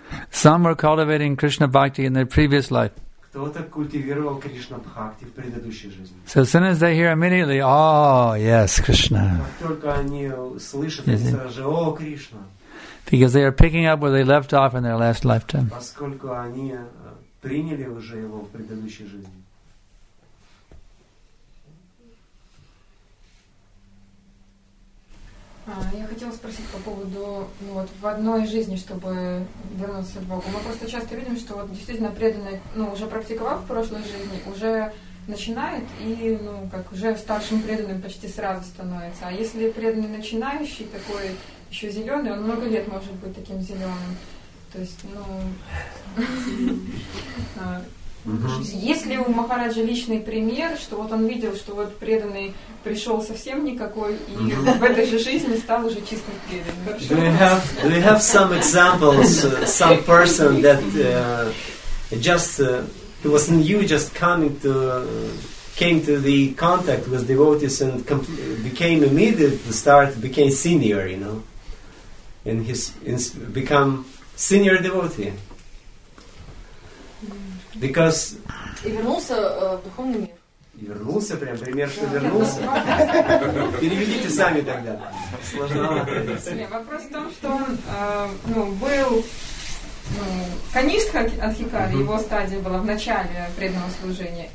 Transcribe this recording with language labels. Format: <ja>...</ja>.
<en>Some were cultivating Krishna Bhakti in their previous life.</en> <ru>Кто-то культивировал Кришна Бхакти в предыдущей жизни.</ru> <en>So as soon as they hear immediately, oh, yes, Krishna.</en> <ru>Как только они слышат, они сразу же, о, Кришна.</ru> <en>Because they are picking up where they left off in their last lifetime.</en> <ru>Поскольку они приняли уже его в предыдущей жизни. Я хотела спросить по поводу, ну, вот в одной жизни, чтобы вернуться к Богу. Мы просто часто видим, что вот действительно преданный, ну, уже практиковал в прошлой жизни, уже начинает и, ну, как уже старшим преданным почти сразу становится. А если преданный начинающий, такой еще зеленый, он много лет может быть таким зеленым. То есть, ну, Mm-hmm. Есть ли у Махараджа личный пример, что вот он видел, что вот преданный пришел совсем никакой и в этой же жизни стал уже чистым преданным?</ru> <en>Do you have some examples, some person that he was new, just coming to, came to the contact with devotees and became immediately to start, became senior, you know, and he's become senior devotee. Because</en> <ru>и вернулся в духовный мир. И вернулся прям, пример, что вернулся. Переведите сами тогда. Сложновато. Вопрос в том, что он был канишха от Хикари, его стадия была в начале преданного служения.</ru>